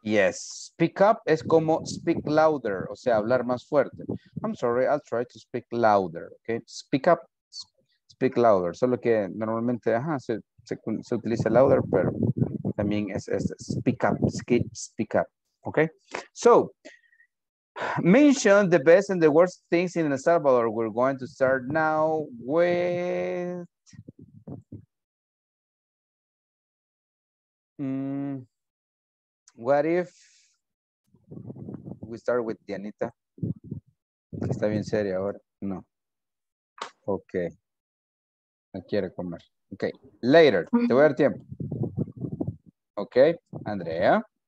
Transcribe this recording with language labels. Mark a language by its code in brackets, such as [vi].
[es] Yes, speak up es como speak louder, o sea, hablar más fuerte. [en] I'm sorry, I'll try to speak louder, okay? Speak up, speak louder. [es] Solo que normalmente, ajá, se utiliza louder, pero también es speak up, speak up, okay? [en] So, mention the best and the worst things in El Salvador. We're going to start now with... what if we start with Dianita? [es] Está bien seria ahora. No. Okay. No quiere comer. Okay. Later. Te voy a dar tiempo. Okay. Andrea.